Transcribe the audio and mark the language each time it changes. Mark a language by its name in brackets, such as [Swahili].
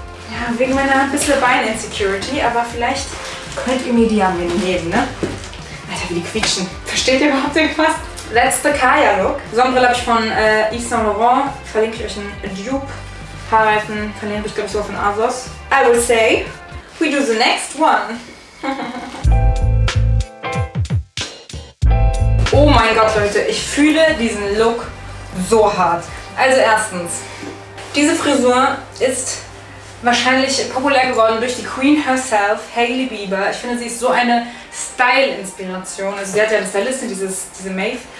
[German] Ja, wegen meiner ein bisschen Bein-Insecurity, aber vielleicht könnt ihr mir die ja mitnehmen, ne? Alter, wie die quietschen. Versteht ihr überhaupt irgendwas? [English] That's the Kaya look. [German] Sonnenbrille habe ich von Yves Saint Laurent. Verlinke ich euch ein Dupe. Haarreifen verlieren mich, glaube ich, so von ASOS. [English] I will say, we do the next one. [German] Oh mein Gott, Leute, ich fühle diesen Look so hart. Also erstens, diese Frisur ist wahrscheinlich populär geworden durch die [English] Queen herself, [German] Hailey Bieber. Ich finde, sie ist so eine Style-Inspiration. Also sie hat ja eine Stylistin, diese Maeve.